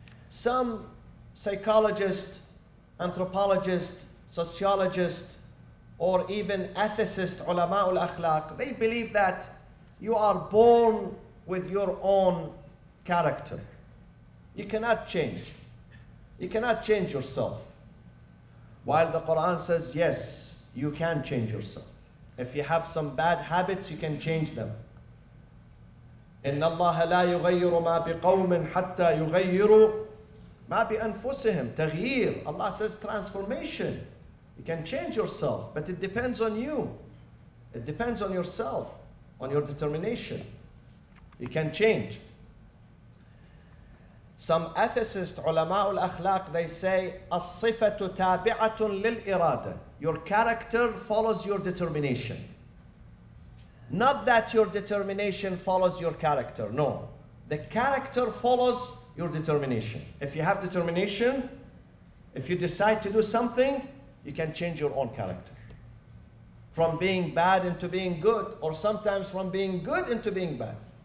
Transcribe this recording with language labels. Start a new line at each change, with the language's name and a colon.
English: Some psychologists, anthropologists, sociologists, or even ethicists, ulama al-akhlaq, they believe that you are born with your own character. You cannot change. You cannot change yourself. While the Quran says, yes, you can change yourself. If you have some bad habits, you can change them.
Arabic: إن الله لا يغير ما بقوم حتى يغيروا ما بأنفسهم.
English: تغيير. Allah says transformation. You can change yourself, but it depends on you. It depends on yourself, on your determination. You can change. Some ethicists, علماء الأخلاق, they say
Arabic: الصفة تابعة للإرادة.
English: Your character follows your determination. Not that your determination follows your character, no. The character follows your determination. If you have determination, if you decide to do something, you can change your own character. From being bad into being good, or sometimes from being good into being bad.